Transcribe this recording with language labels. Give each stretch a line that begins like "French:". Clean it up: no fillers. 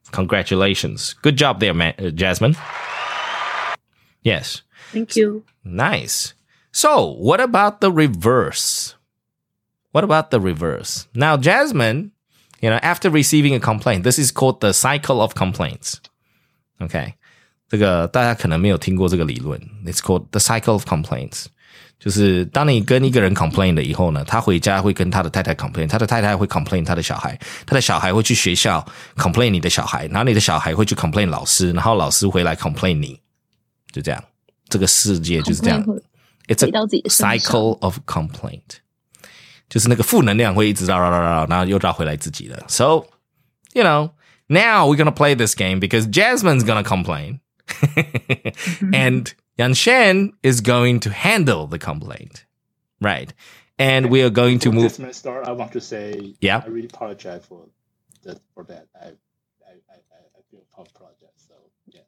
English: Congratulations. Good job there, Jasmine. Yes. Thank you. Nice. So what about the reverse? What about the reverse? Now, Jasmine, you know, after receiving a complaint, this is called the cycle of complaints. Okay.
Chinese: 这个大家可能没有听过这个理论。
English: It's called the cycle of complaints.
Chinese: 就是当你跟一个人 complain 了以后呢，他回家会跟他的太太 complain, 他的太太会 complain 他的小孩，他的小孩会去学校 complain 你的小孩，然后你的小孩会去 complain 老师，然后老师回来 complain 你。就这样。这个世界就是这样。
English: It's a cycle of complaint.
Chinese: 就是那个负能量会一直绕绕绕绕，然后又绕回来自己的。
English: So, you know, now we're going to play this game because Jasmine's going to complain. And Yan Shen is going to handle the complaint. Right. And we are going to move. Jasmine, start, I want to say, yeah. I really apologize for that. I feel apologize. So, yeah.